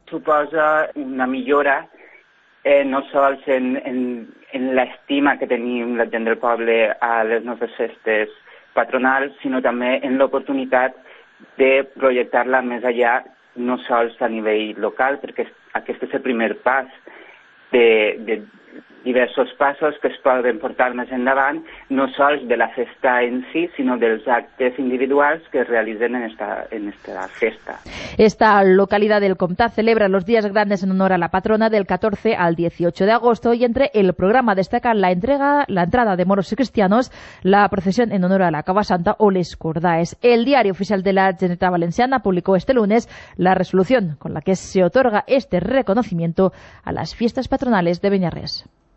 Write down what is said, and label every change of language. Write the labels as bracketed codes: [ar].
[es] Supone una mejora no solo en la estima que tenía la gente del pueblo a las nuestras festes patronales, sino también en la oportunidad de proyectarla más allá, no solo a nivel local, porque este es el primer paso de [ca] diversos passos que es poden portar més endavant, no sols de la festa en si, sinó dels actes individuals que es realitzen en esta festa. [es] Esta localidad del Comtà celebra los días grandes en honor a la patrona del 14 al 18 de agosto y entre el programa destacan la entrega, la entrada de moros y cristianos, la procesión en honor a la Cava Santa o les Cordaes. El diario oficial de la Generalitat Valenciana publicó este lunes la resolución con la que se otorga este reconocimiento a las fiestas patronales de Beniarrés.